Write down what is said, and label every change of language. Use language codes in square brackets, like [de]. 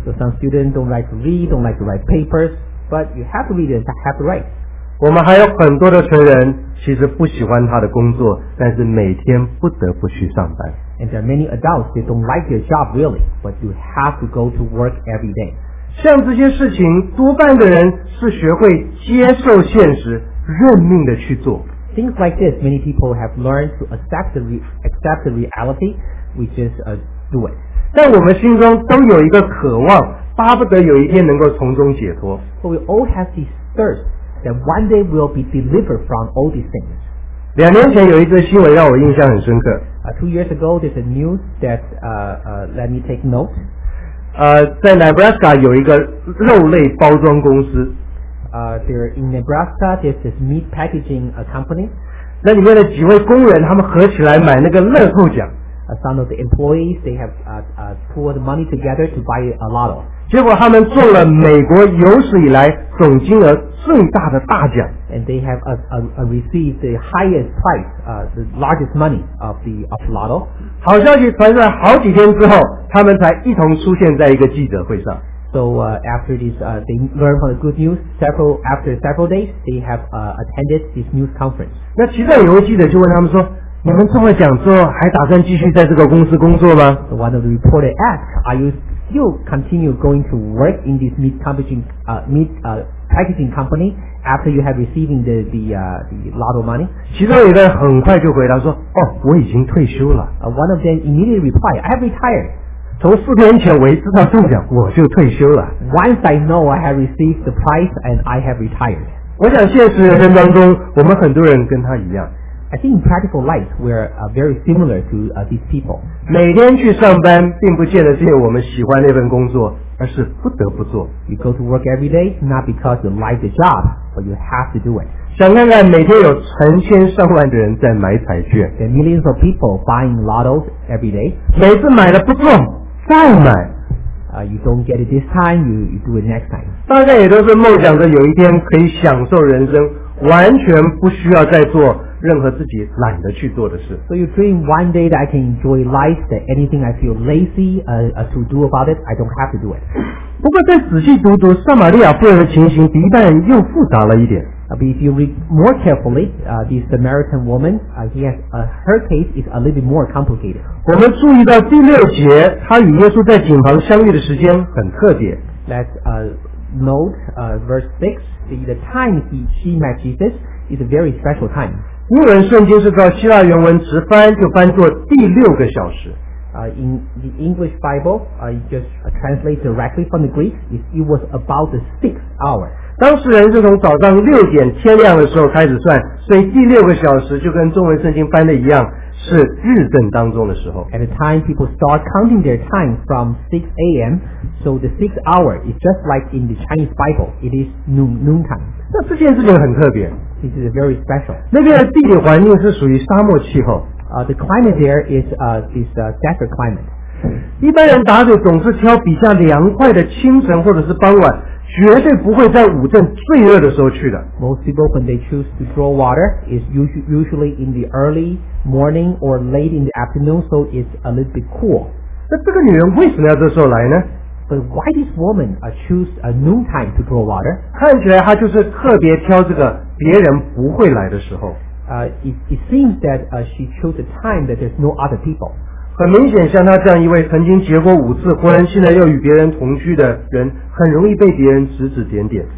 [en] So some students don't like to read, don't like to write papers, but you have to read and have to write. [zh] 我们还有很多的成人其实不喜欢他的工作，但是每天不得不去上班。 [en] And there are many adults that don't like their job really, but you have to go to work every day. [zh] 像这些事情，多半的人是学会接受现实，认命的去做。 [en] Things like this, many people have learned to accept the reality, we just do it. [zh] 但我们心中都有一个渴望，巴不得有一天能够从中解脱。 [en] But we all have this thirst. That one day we'll be delivered from all these things. [zh] 两年前有一则新闻让我印象很深刻。 [en] Two years ago, there's a news that let me take note. [zh] 在 Nebraska 有一个肉类包装公司。 [en] There in Nebraska, there's this meat packaging company. [zh] 那里面的几位工人他们合起来买那个乐透奖。 [en] Some of the employees they have pulled money together to buy a lotto. [zh] 结果他们中了美国有史以来总金额。最大的大奖 [en] and they have received the highest price the largest money of the lotto [zh] 好消息传出来好几天之后他们才一同出现在一个记者会上 [en] so after this they learned from the good news after several days they have attended this news conference [zh] 那其中有位记者就问他们说你们中了奖之后还打算继续在这个公司工作吗 [en] so one of the reporter asked are you still continue going to work in this meat packaging packaging company after you have receiving the lotto money [zh] 其中一个很快就回答说哦我已经退休了 [en] one of them immediately replied I have retired [zh] 从四天前我一知道中奖我就退休了 [en] once I know I have received the prize and I have retired [zh] 我想现实人生当中我们很多人跟他一样 [en] I think in practical life we're very similar to these people [zh] 每天去上班并不见得是我们喜欢那份工作而是不得不做 [en] You go to work every day not because you like the job but you have to do it [zh] 想看看每天有成千上万的人在买彩券 [en] There are millions of people buying lottos every day [zh] 每次买了不中再买 [en] You don't get it this time you do it next time [zh] 大家也都是梦想着有一天可以享受人生完全不需要再做任何自己懒得去做的事 [en] So you dream one day that I can enjoy life that anything I feel lazy to do about it I don't have to do it [zh] 不过再仔细读读撒玛利亚妇人的情形，比一般人又复杂了一点。 [en] But if you read more carefully, the Samaritan woman, her case is a little bit more complicated. [zh] 我们注意到第六节，她与耶稣在井旁相遇的时间很特别。 [en] Let's note verse 6, the time she met Jesus is a very special time. [zh] 英文圣经是照希腊原文直翻，就翻作第六个小时。 [en] In the English Bible, translate directly from the Greek, it was about the sixth hour. [zh] 当事人是从早上六点天亮的时候开始算，所以第六个小时就跟中文圣经翻的一样，是日正当中的时候。 [en] At the time, people start counting their time from 6 a.m., so the sixth hour is just like in the Chinese Bible, it is noontime. [zh] 那这件事情很特别。 [en] This is very special. [zh] 那边的地理环境是属于沙漠气候。 [en] The climate there is desert climate. [zh] 一般人打盹总是挑比较凉快的清晨或者是傍晚，绝对不会在午正最热的时候去的。 [en] Most people when they choose to draw water is usually in the early morning or late in the afternoon, so it's a little bit cool. [zh] 那这个女人为什么要这时候来呢？ [en] But why this woman choose a noontime to draw water? [zh] 看起来她就是特别挑这个别人不会来的时候。 [en] It seems that she chose a time that there's no other people. [zh] 很明显，像她这样一位曾经结过五次婚，现在又与别人同居的人，很容易被别人指指点点。